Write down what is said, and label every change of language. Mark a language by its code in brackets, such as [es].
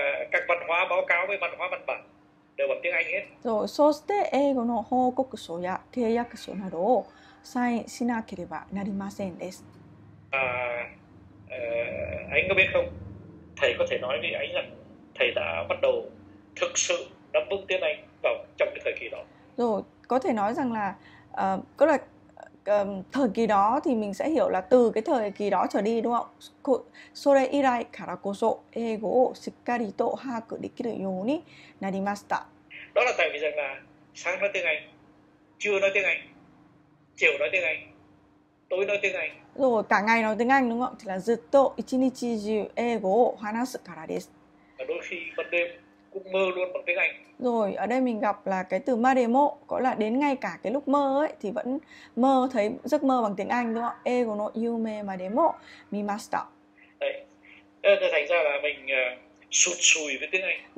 [vi] các văn hóa báo cáo với văn hóa văn bản đều bằng tiếng Anh hết. [ja] rồi そして英語の報告書や契約書などをサインしなければなりませんです。 [vi] Anh có biết không? Thầy có thể nói với anh rằng thầy đã bắt đầu thực sự nắm vững tiếng Anh vào trong cái thời kỳ đó. Rồi, có thể nói rằng là có là thời kỳ đó thì mình sẽ hiểu là từ cái thời kỳ đó trở đi đúng không? [ja] それ以来からこそ英語をしっかりと把握できるようになりました。 [vi] Đó là tại vì rằng là sáng nói tiếng Anh, trưa nói tiếng Anh, chiều nói tiếng Anh, tối nói tiếng Anh. Rồi, cả ngày nói tiếng Anh đúng không? [ja] Thì là ずっと一日中英語を話すからです。 [vi] Và đôi khi ban đêm cũng mơ luôn bằng tiếng Anh. Rồi, ở đây mình gặp là cái từ maremo, có là đến ngay cả cái lúc mơ ấy thì vẫn mơ thấy giấc mơ bằng tiếng Anh đúng không? [ja] Ego no yume maremo mimasta. [vi] Đấy. Thành ra là mình sụt sùi với tiếng Anh.